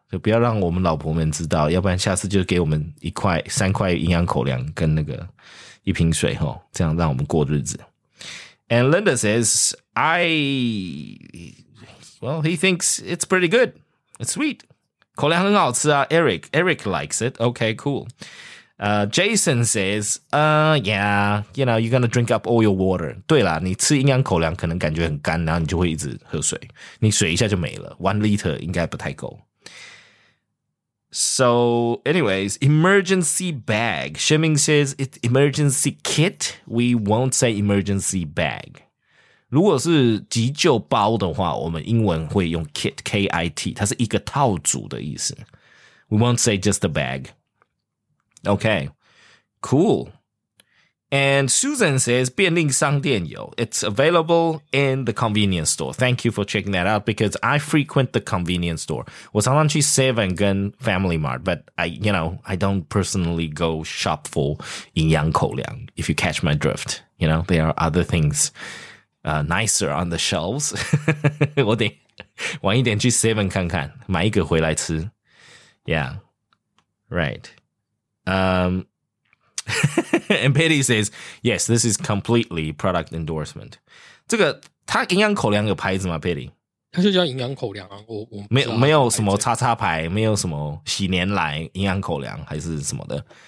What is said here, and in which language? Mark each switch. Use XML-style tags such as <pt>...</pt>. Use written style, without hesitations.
<zh>就不要让我们老婆们知道，要不然下次就给我们一块三块营养口粮跟那个一瓶水齁，这样让我们过日子。</zh> <en>And Linda says, well, he thinks it's pretty good. It's sweet.</en> <zh>口粮很好吃啊</zh> <en>,Eric likes it. Okay, cool. Jason says, yeah, you know, you're gonna drink up all your water.</en> <zh>对啦，你吃营养口粮可能感觉很干，然后你就会一直喝水。你水一下就没了 ,1 liter 应该不太够。</zh> <en>So, anyways, emergency bag. Shiming says it's emergency kit. We won't say emergency bag.</en> <zh>如果是急救包的话，我们英文会用 kit, K-I-T. 它是一个套组的意思。</zh> <en>We won't say just a bag. Okay, cool. And Susan says</en> <zh>便利商店有</zh> <en>It's available in the convenience store. Thank you for checking that out because I frequent the convenience store.</en> <zh>我常常去 7 跟</zh> <en>Family Mart, but I don't personally go shop for 营养口粮, if you catch my drift. You know, there are other things nicer on the shelves.</en> <zh>我得晚一点去 7 看看,买一个回来吃。</zh> <en>Yeah, right. And Patty says, yes, this is completely product endorsement.</en> <zh>这个它营养口粮有牌子吗 ,Patty? 它就叫营养口粮啊。我没有什么叉叉牌，没有什么喜年来营养口粮还是什么的。</zh>